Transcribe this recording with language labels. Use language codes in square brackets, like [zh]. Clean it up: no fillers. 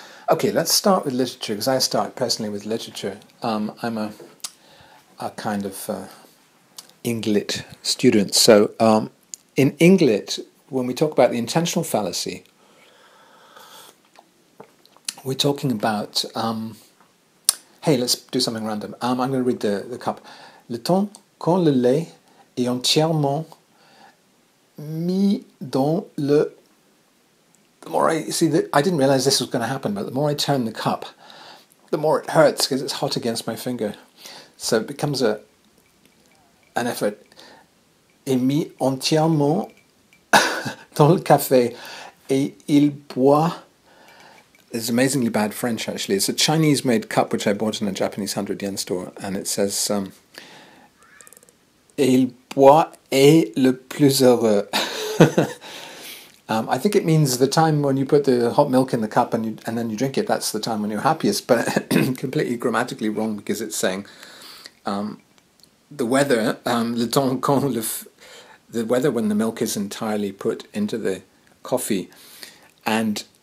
[en] Okay, let's start with literature, because I start personally with literature. I'm a kind of Inglit student. So in Inglit, when we talk about the intentional fallacy, we're talking about, let's do something random. I'm going to read the cup. [fr] Le temps quand le lait est entièrement mis dans le... [en] The more I didn't realize this was going to happen, but the more I turn the cup, the more it hurts because it's hot against my finger. So it becomes an effort. [fr] Et mis entièrement dans le café et il boit... [en] It's amazingly bad French, actually. It's a Chinese-made cup, which I bought in a Japanese 100 yen store, and it says, [fr] il boit est le plus heureux. [en] I think it means the time when you put the hot milk in the cup and then you drink it, that's the time when you're happiest, but completely grammatically wrong, because it's saying the weather when the milk is entirely put into the coffee and...